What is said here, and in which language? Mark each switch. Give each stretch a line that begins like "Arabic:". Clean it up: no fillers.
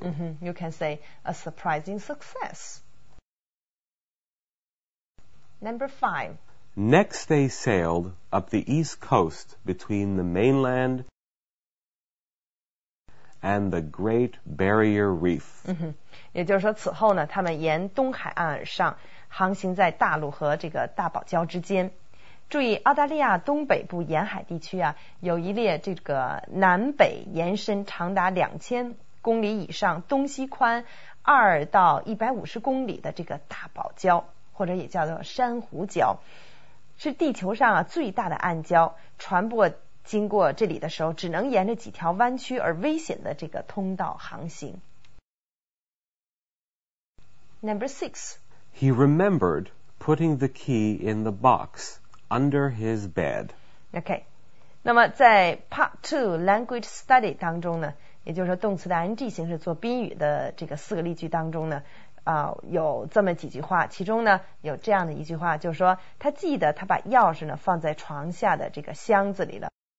English: Mm-hmm. You can say a surprising success. Number five. Next they sailed up the east coast between the mainland and the Great Barrier Reef.
Chinese: Mm-hmm. 也就是说此后呢他们沿东海岸上航行在大陆和这个大堡礁之间。注意澳大利亚东北部沿海地区啊有一列这个南北延伸长达2000公里以上东西宽2到150公里的这个大堡礁或者也叫做珊瑚礁是地球上啊最大的暗礁船舶经过这里的时候只能沿着几条弯曲而危险的这个通道航行
English: Number six He remembered putting the key in the box under his bed
Chinese: Okay 那么在 part 2 language study 当中呢也就是说动词的 ing 形式做宾语的这个四个例句当中呢有这么几句话其中呢有这样的一句话就是说他记得他把钥匙呢放在床下的这个箱子里了